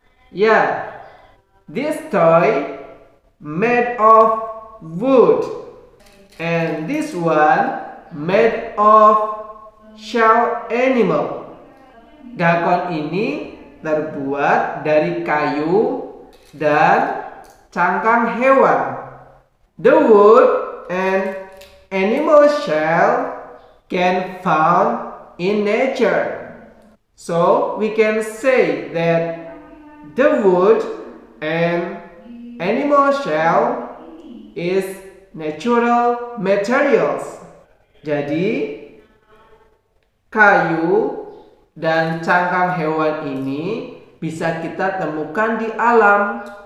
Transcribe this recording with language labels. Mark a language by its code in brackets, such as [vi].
[en] Yeah, this toy made of wood. And this one made of shell animal. [id] Dakon ini terbuat dari kayu dan cangkang hewan. [en] The wood and animal shell can found in nature. So we can say that the wood and animal shell is natural materials. [id] Jadi kayu dan cangkang hewan ini bisa kita temukan di alam.